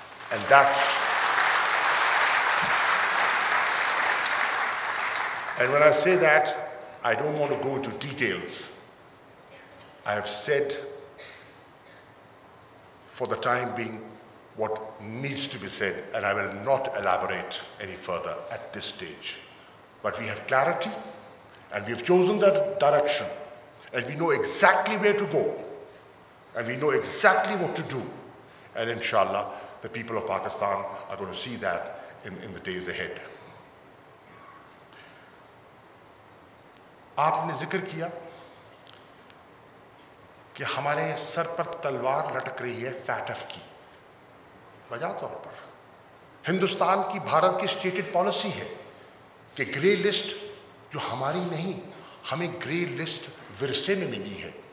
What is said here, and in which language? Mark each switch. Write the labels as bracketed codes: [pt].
[en] And that and when I say that I don't want to go to details, I have said for the time being what needs to be said, and I will not elaborate any further at this stage. But we have clarity, and we have chosen that direction, and we know exactly where to go, and we know exactly what to do, and inshallah, the people of Pakistan are going to see that in the days ahead. [ur] آپ نے ذکر کیا کہ ہمارے سر پر تلوار لٹک رہی ہے FATF کی, وجہ طور پر ہندوستان کی بھارت کی اسٹیٹڈ پالیسی ہے کہ گرے لسٹ جو ہماری نہیں, ہمیں گرے لسٹ ورثے میں ملی ہے.